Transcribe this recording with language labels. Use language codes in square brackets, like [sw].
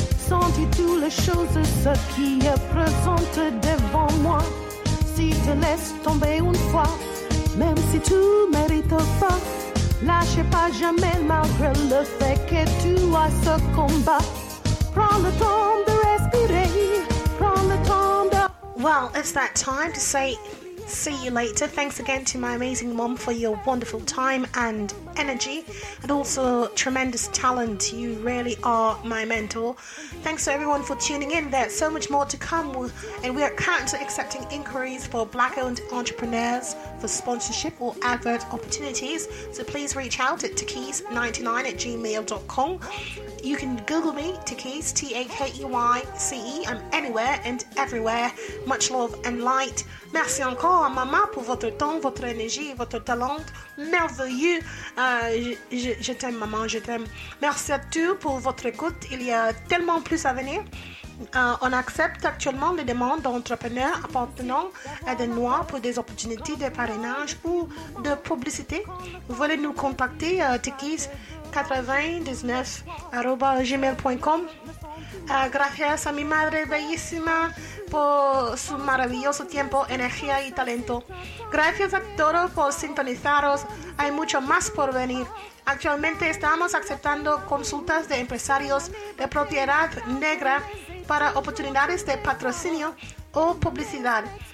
[fr] Sentir toutes les choses, ce qui est présent devant moi. Si tu laisses tomber une fois, même si tu mérites pas, lâche pas jamais malgré le fait que tu as ce combat. Prends le temps de respirer. Prends le temps de... [en] Well, it's that time to say see you later. Thanks again to my amazing mom for your wonderful time and energy, and also tremendous talent. You really are my mentor. Thanks to everyone for tuning in. There's so much more to come, and we are currently accepting inquiries for black-owned entrepreneurs for sponsorship or advert opportunities. So please reach out at takeys99@gmail.com. You can Google me, Takeys, T-A-K-E-Y-C-E. I'm anywhere and everywhere. Much love and light. [fr] Merci encore à maman pour votre temps, votre énergie, votre talent. Merveilleux. Je t'aime, maman, je t'aime. Merci à tous pour votre écoute. Il y a tellement plus à venir. On accepte actuellement les demandes d'entrepreneurs appartenant à des Noirs pour des opportunités de parrainage ou de publicité. Vous voulez nous contacter à tikis99@gmail.com. [es] Gracias a mi madre bellísima por su maravilloso tiempo, energía y talento. Gracias a todos por sintonizaros. Hay mucho más por venir. Actualmente estamos aceptando consultas de empresarios de propiedad negra para oportunidades de patrocinio o publicidad.